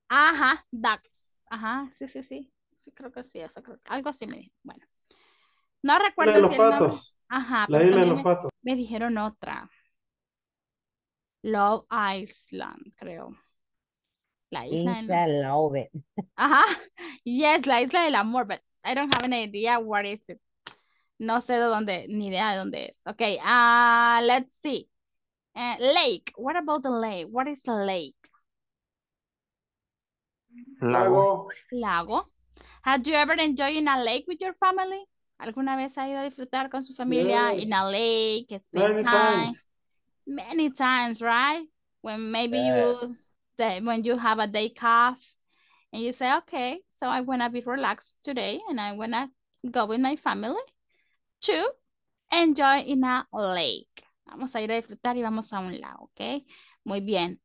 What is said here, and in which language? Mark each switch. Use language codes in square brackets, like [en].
[es] Ajá, Ducks. Ajá, sí. Sí, creo que sí, eso creo. Algo así me dijo. Bueno. No recuerdo si era. Los patos. Ajá, la isla de los patos. Me dijeron otra. Love Island, creo. La isla de love. Ajá. [en] Yes, [es] la isla del amor, [en] but I don't have any idea what is it. [es] No sé de dónde, ni idea de dónde es. [en] Okay, let's see. Lake. What about the lake? What is the lake? [es] Lago. Lago. [en] Had you ever enjoyed in a lake with your family? [es] ¿Alguna vez ha ido a disfrutar con su familia? [en] Yes. In a lake, spend time. Many times, right? When maybe when you have a day off and you say, okay, so I want to be relaxed today and I want to go with my family to enjoy in a lake. [es] Vamos a ir a disfrutar y vamos a un lago, okay? Muy bien.